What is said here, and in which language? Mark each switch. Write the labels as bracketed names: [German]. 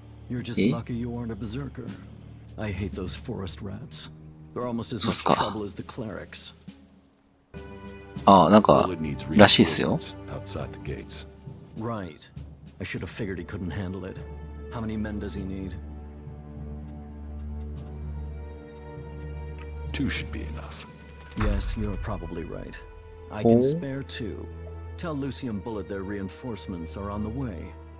[English] You're just lucky you aren't a berserker. I hate those forest rats. They're almost as much trouble as the clerics. [Japanese] ああ、なんか、らしいっすよ。 [English] Outside the gates. Right. I should have figured he couldn't handle it. How many men does he need? Two should be enough. Yes, you're probably right. I can spare two. Tell Lucium Bullet their reinforcements are on the way.